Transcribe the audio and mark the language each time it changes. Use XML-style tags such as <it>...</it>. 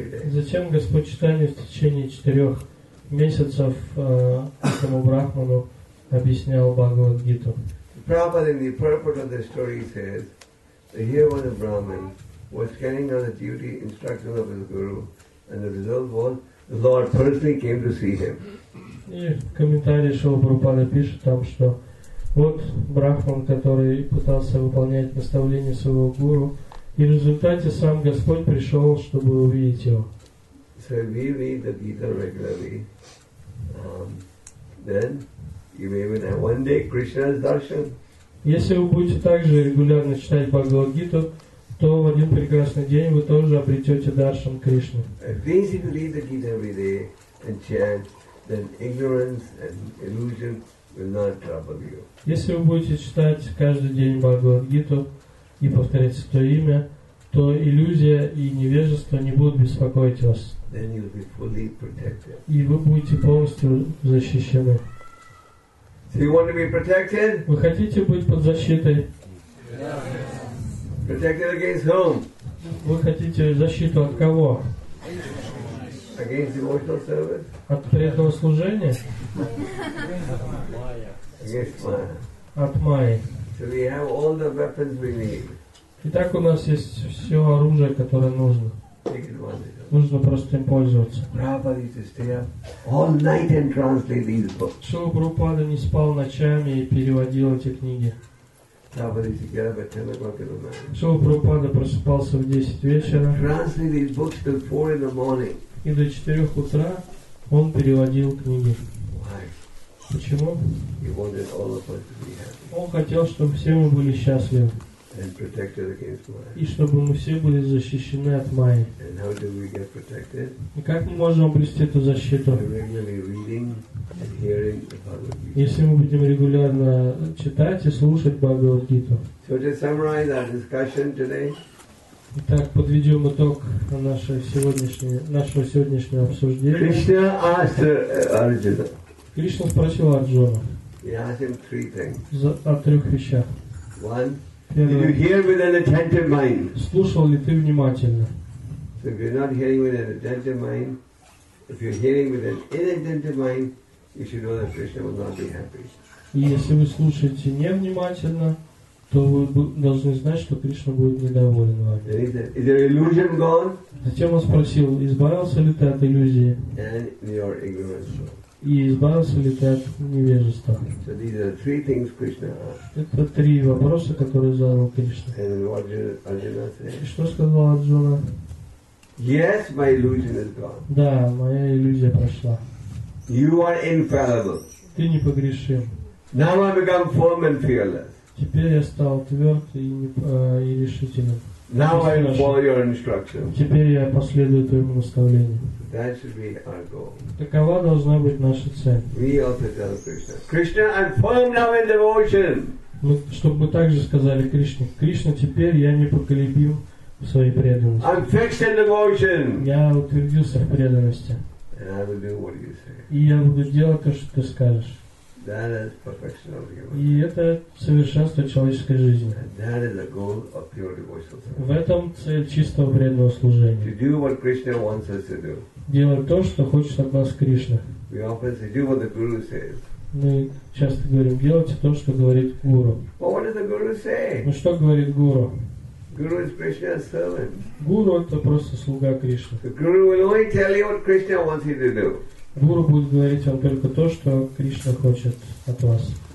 <ru>Затем Господь Читания в течение 4 месяцев этому брахману объяснял Бхагавад-гиту.</ru> <en>Prabhupada, in the purport of the story, says that here was a Brahmin who was carrying out the duty instruction of his guru, and the result was the Lord personally came to see him.</en> <ru>И в комментарии Шрила Прабхупада пишет там, что вот брахман, который пытался выполнять наставление своего гуру, и в результате сам Господь пришел, чтобы увидеть его.</ru> <en>So if we read the Gita regularly, then you may even have one day Krishna's darshan.</en> <ru>Если вы будете также регулярно читать Бхагавад-гиту, то в один прекрасный день вы тоже обретете даршан Кришны.</ru> <en>If we need to read the Gita every day and chant, then ignorance and illusion will not trouble you.</en> <ru>Если вы будете читать каждый день Бхагавад-гиту и повторять Святое Имя, то иллюзия и невежество не будут беспокоить вас.</ru> <en>Then you'll be fully protected.</en> <ru>И вы будете полностью защищены.</ru> <en>So you want to be protected?</en> <ru>Вы хотите быть под защитой?</ru> <en>Yes. Protected against whom?</en> <ru>Вы хотите защиту от кого?</ru> <en>Against devotional service?</en> <ru>От преданного служения?</ru> <en>Against Maya.</en> <ru>От Майи.</ru> <en>So we have all the weapons we need.</en> <ru>Итак, у нас есть все оружие, которое нужно. Нужно просто им пользоваться.</ru> <en>Prabhupada used to stay up all night and translate these books.</en> <ru>Шрила Прабхупада не спал ночами и переводил эти книги. Шрила Прабхупада просыпался в 10 вечера.</ru> <en>Translate these books till 4 in the morning.</en> <ru>И до 4 утра он переводил книги.</ru> <en>Why?</en> <ru>Почему?</ru> <en>He wanted all of us to be happy.</en> <ru>Он хотел, чтобы все мы были счастливы.</ru> <en>And protected against Maya.</en> <ru>И чтобы мы все были защищены от Майи.</ru> <en>And how do we get protected?</en> <ru>И как мы можем обрести эту защиту?</ru> <en>By regularly reading and hearing the Bhagavad-gita.</en> <ru>Если мы будем регулярно читать и слушать Бхагавад-гиту.</ru> <en>So to summarize our discussion today.</en> <ru>Итак, подведем итог нашего сегодняшнего обсуждения.</ru> <en>Krishna asked Arjuna.</en> <ru>Кришна спросил Арджуну.</ru> <en>He asked him 3 things.</en> <ru>О трех вещах.</ru> <en>One. Did you hear with an attentive mind?</en> <ru>Слушал ли ты внимательно?</ru> <en>So if you're not hearing with an attentive mind, if you're hearing with an inattentive mind, you should know that Krishna will not be happy.</en> <ru>Если вы слушаете невнимательно, то вы должны знать, что Кришна будет недоволен вами.</ru> <en>Is there illusion gone?</en> <ru>Затем он спросил: избавился ли ты от иллюзии?</ru> <en>And your ignorance.</en> <ru>И избавился ли ты от невежества?</ru> <en>So these are 3 things Krishna asked.</en> <ru>Это 3 вопроса, которые задал Кришна.</ru> <en>And what did Arjuna say?</en> <ru>И что сказал Арджуна?</ru> <en>Yes, my illusion is gone.</en> <ru>Да, моя иллюзия прошла.</ru> <en>You are infallible.</en> <ru>Ты непогрешим.</ru> <en>Now I become firm and fearless.</en> <ru>Теперь я стал тверд и решителен.</ru> <en>Now I follow your instructions.</en> <ru>Теперь я последую твоему наставлению.</ru> <en>That should be our goal.</en> <ru>Такова должна быть наша цель.</ru> <en>We also tell Krishna, Krishna, I'm firm now in devotion.</en> <ru>Мы, чтобы мы также сказали Кришне: Кришна, теперь я непоколебим в своей преданности.</ru> <en>I'm fixed in devotion.</en> <ru>Я утвердился в преданности.</ru> <en>And I will do what you say.</en> <ru>И я буду делать то, что ты скажешь.</ru> <en>That is perfection of human life.</en> <ru>И это совершенство человеческой жизни.</ru> <en>And that is the goal of pure devotional service.</en> <ru>В этом цель чистого преданного служения.</ru> <en>To do what Krishna wants us to do.</en> <ru>Делать то, что хочет от нас Кришна.</ru> <en>We often say, do what the guru says.</en> <ru>Мы часто говорим: делайте то, что говорит гуру.</ru> <en>But what does the guru say?</en> <ru>Ну что говорит гуру?</ru> <en>Guru is Krishna's servant.</en> <ru>Гуру — это просто слуга Кришны.</ru> <en>The guru will only tell you what Krishna wants you to do.</en> <ru>Гуру будет говорить вам только то, что Кришна хочет от вас.</ru>